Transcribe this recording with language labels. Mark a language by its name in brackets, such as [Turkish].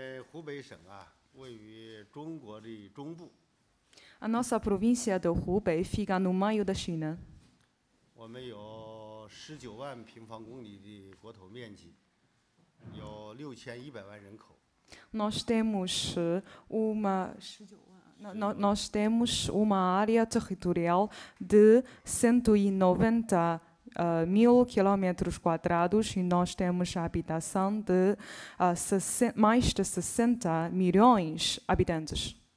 [Chinese] 湖北省啊，位于中国的中部。 [Portuguese] A nossa província de Hubei fica no meio da China. [Chinese] 我们有19万平方公里的国土面积，有6100万人口。 [Portuguese] Nós temos uma área territorial de 190 mil quilômetros quadrados e nós temos a habitação de mais de 60 milhões de habitantes.